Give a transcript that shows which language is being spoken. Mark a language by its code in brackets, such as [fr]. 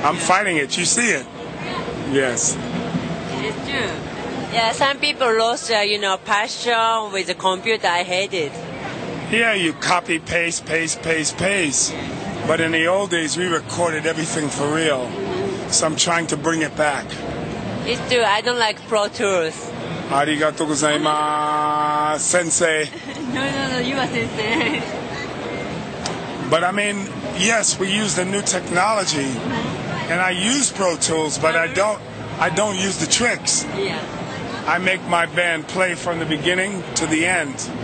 [en] I'm fighting it. You see it? Yes. It's true. Yeah, some people lost their, you know, passion with the computer. I hate it. Yeah, you copy, paste, paste, paste, paste. But in the old days, we recorded everything for real. So I'm trying to bring it back. It's true. I don't like Pro Tools. [ja] ありがとうございます、先生。 [en] No, you are 先生。 But I mean, yes, we use the new technology, and I use Pro Tools, but I don't use the tricks. Yeah. I make my band play from the beginning to the end.